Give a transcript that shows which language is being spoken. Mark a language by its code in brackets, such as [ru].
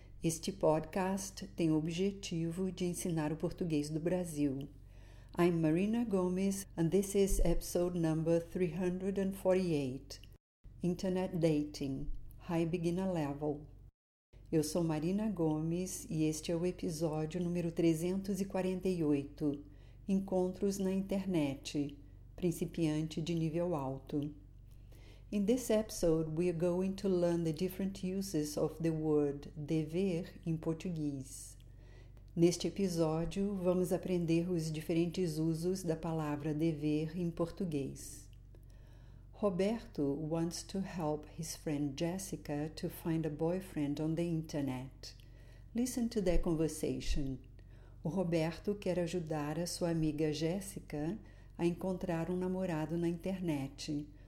[pt] Este podcast tem o objetivo de ensinar o português do Brasil. [en] I'm Marina Gomes, and this is episode number 348, Internet Dating, High Beginner Level. [pt] Eu sou Marina Gomes e este é o episódio número 348, Encontros na Internet, Principiante de Nível Alto. [en] In this episode, we are going to learn the different uses of the word dever in Portuguese. [pt] Neste episódio, vamos aprender os diferentes usos da palavra dever em português. [en] Roberto wants to help his friend Jessica to find a boyfriend on the internet. Listen to their conversation. [pt] O Roberto quer ajudar a sua amiga Jessica a encontrar um namorado na internet.